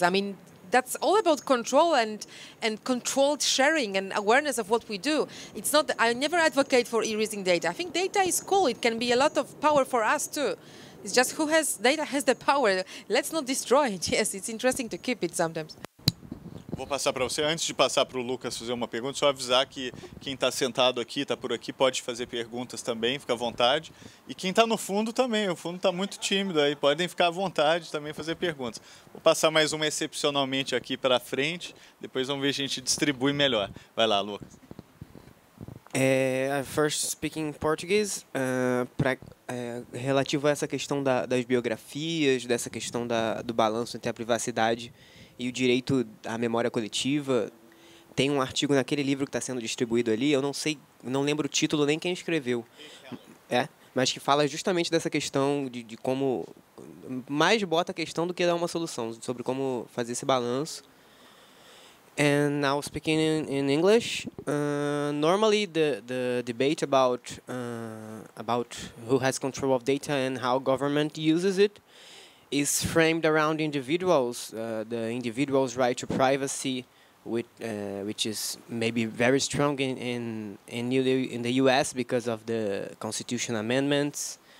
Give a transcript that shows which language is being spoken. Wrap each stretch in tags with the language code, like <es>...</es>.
<en>I mean, that's all about control and controlled sharing and awareness of what we do. It's not... I never advocate for erasing data. I think data is cool. It can be a lot of power for us, too. It's just who has data has the power. Let's not destroy it. Yes, it's interesting to keep it sometimes.</en> <pt>vou passar para você. Antes de passar para o Lucas fazer uma pergunta, só avisar que quem está sentado aqui, está por aqui, pode fazer perguntas também, fica à vontade. E quem está no fundo também, o fundo está muito tímido aí, podem ficar à vontade também fazer perguntas. Vou passar mais uma excepcionalmente aqui para frente, depois vamos ver se a gente distribui melhor. Vai lá, Lucas.</pt> <en>First speaking Portuguese,</en> <pt>relativo a essa questão das biografias, dessa questão do balanço entre a privacidade e o direito à memória coletiva, tem um artigo naquele livro que está sendo distribuído ali, eu não sei, não lembro o título nem quem escreveu, mas que fala justamente dessa questão de como, mais bota a questão do que dar uma solução, sobre como fazer esse balanço.</pt> <en>And now speaking in English, normally the debate about who has control of data and how government uses it is framed around individuals, the individual's right to privacy, which is maybe very strong in the US because of the Constitution amendments.</en>